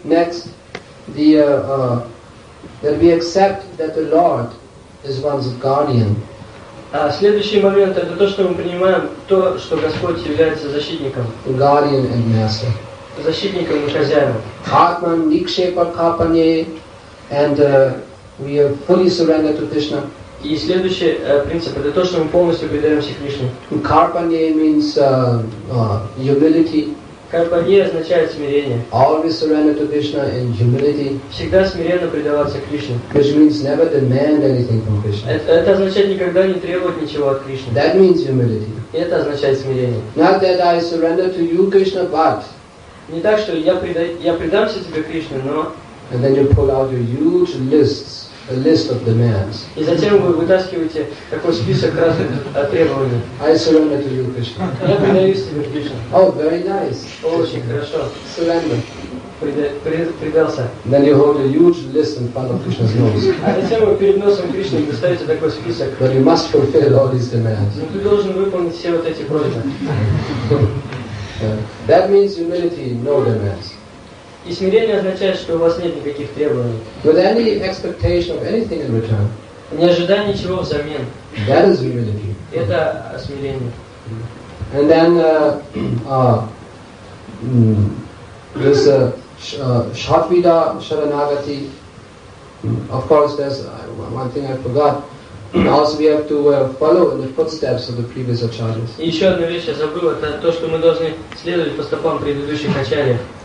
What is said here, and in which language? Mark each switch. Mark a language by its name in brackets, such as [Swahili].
[English] Then next, that we accept that the Lord is one's guardian. [Russian] Следующий момент это то, что мы принимаем то, что Господь является защитником. [English] Guardian and master. [Russian] Защитником и хозяином. [Sanskrit] Atman nikshepa kapane, [English] and we are fully surrendered to Krishna. [Russian] И следующий принцип это то, что мы полностью предаемся Кришне. [English] Kapane means humility. [Russian] Карпанье означает смирение. [English] Always surrender to Krishna in humility. [Russian] Всегда смиренно предаваться Кришне. [English] Which means never demand anything from Krishna. [Russian] Это означает никогда не требовать ничего от Кришны. [English] That means humility. [Russian] Это означает смирение. [English] Not that I surrender to you, Krishna, but... [Russian] Не так, что я предамся тебе, Кришне, но... [English] And then you pull out your huge lists, a list of demands. [Russian] И затем вы вытаскиваете такой список разных требований. [English] I surrender to you, Krishna. [Russian] Я предаюсь тебе, Кришна. [English] Oh, very nice. [Russian] Очень хорошо. [English] Surrender. [Russian] Предался. [English] Then you hold a huge list in front of Krishna's nose. [Russian] А затем вы перед носом Кришны доставите такой список. [English] But you must fulfill all these demands. [Russian] Но ты должен выполнить все вот эти просьбы. [English] That means humility, no demands. [Russian] И смирение означает, что у вас нет никаких требований. [English] With any expectation of anything in return. [Russian] Не ожидая ничего взамен. [English] That is humility. [Russian] Это смирение. [English] And then this Shatvida Sharanagati. Of course, there's one thing I forgot. Also, we have to follow in the footsteps of the previous acharyas. [Russian] И еще одна вещь я забыл, это то, что мы должны следовать по стопам предыдущих ачарьев.